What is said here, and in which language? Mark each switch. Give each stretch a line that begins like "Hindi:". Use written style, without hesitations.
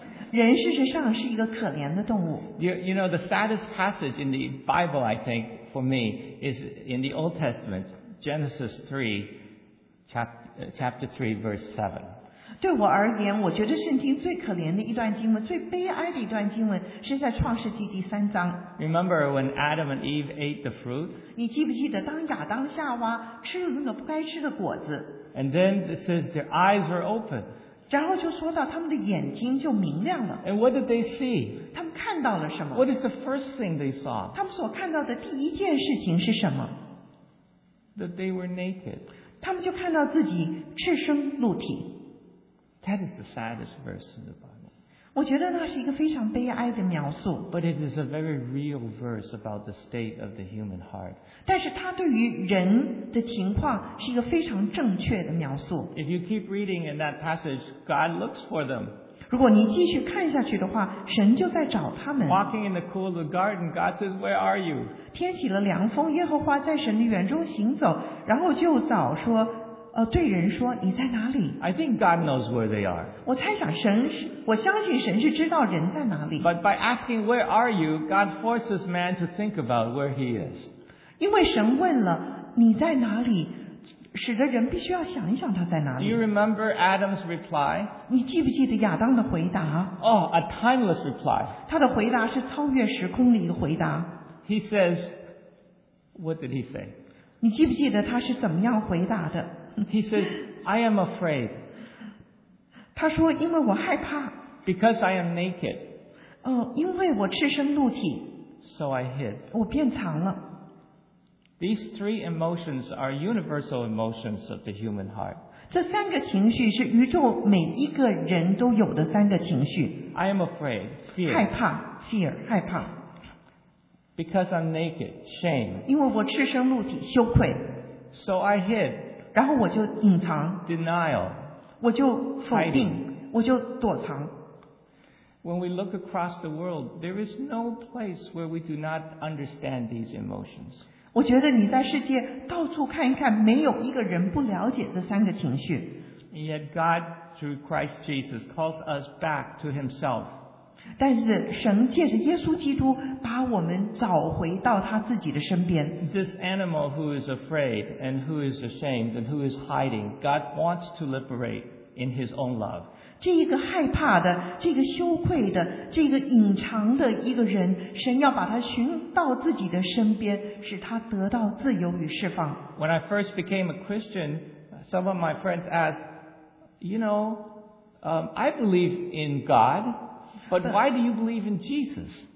Chinese: 人事实上是一个可怜的动物。
English: You know, the saddest passage in the Bible, I think, for me, is in the Old Testament, Genesis 3, chapter 3, verse 7.
Chinese: 对我而言，我觉得圣经最可怜的一段经文，最悲哀的一段经文，是在创世纪第三章。
English: Remember when Adam and Eve ate the fruit?
Chinese: 你记不记得当亚当夏娃吃了那个不该吃的果子
English: ？And then it says their eyes were open.
Chinese: 然后就说到他们的眼睛就明亮了。
English: And what did they see?
Chinese: 他们看到了什么
English: ？What is the first thing they saw?
Chinese: 他们所看到的第一件事情是什么
English: ？That they were naked.
Chinese: 他们就看到自己赤身露体。
English: That is the saddest verse in the Bible.
Chinese: 我觉得那是一个非常悲哀的描述。
English: But it is a very real verse about the state of the human heart.
Chinese: 但是它对于人的情况是一个非常正确的描述。
English: If you keep reading in that passage, God looks for them.
Chinese: 如果你继续看下去的话，神就在找他们。
English: Walking in the cool of the garden, God says, "Where are you?"
Chinese: 天起了凉风，耶和华在神的园中行走，然后就找说。对人说你在哪里
English: I think God knows where they are.
Chinese: 我猜想神是，我相信神是知道人在哪里。
English: But by asking where are you, God forces man to think about where he is.
Chinese: 因为神问了你在哪里，使得人必须要想一想他在哪里。
English: Do you remember Adam's reply?
Chinese: 你记不记得亚当的回答
English: ？Oh, a timeless reply.
Chinese: 他的回答是超越时空的一个回答。
English: He says, "What did he say?"
Chinese: 你记不记得他是怎么样回答的？
English: He says, "I am afraid."
Chinese: 他说，因为我害怕。
English: Because I am naked.
Chinese: 因为我赤身露体。
English: So I hid.
Chinese: 我变藏了。
English: These three emotions are universal emotions of the human heart.
Chinese: 这三个情绪是宇宙每一个人都有的三个情绪。
English: I am afraid, fear.
Chinese: 害怕 ，fear， 害怕。
English: Because I'm naked, shame.
Chinese: 因为我赤身露体，羞愧。
English: So I hid.
Chinese: 然后我就隐藏
English: ，denial，
Chinese: 我就否定，
English: hiding.
Chinese: 我就躲藏。
English: When we look across the world, there is no place where we do not understand these emotions.
Chinese: 我觉得你在世界到处看一看，没有一个人不了解这三个情绪。
English: And yet God, through Christ Jesus, calls us back to Himself.
Chinese: 但是神借着耶稣基督把我们找回到他自己的身边。
English: This animal who is afraid and who is ashamed and who is hiding, God wants to liberate in His own love.
Chinese: 这一个害怕的，这个羞愧的，这个隐藏的一个人，神要把他寻到自己的身边，使他得到自由与释放。
English: When I first became a Christian, Some of my friends ask, you know, I believe in God, but why do you believe in Jesus?